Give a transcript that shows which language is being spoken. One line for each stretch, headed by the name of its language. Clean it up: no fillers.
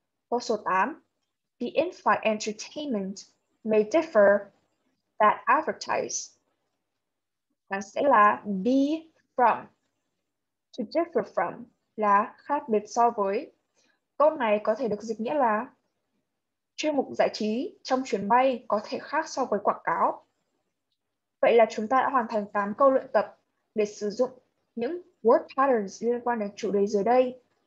Vietnamese: Câu số 8.
English: The in-flight entertainment may differ that advertised.
Vietnamese: Nó sẽ là
English: be from. To differ from
Vietnamese: là khác biệt so với. Câu này có thể được dịch nghĩa là chuyên mục giải trí trong chuyến bay có thể khác so với quảng cáo. Vậy là chúng ta đã hoàn thành 8 câu luyện tập để sử dụng những
English: word patterns
Vietnamese: liên quan đến chủ đề dưới đây.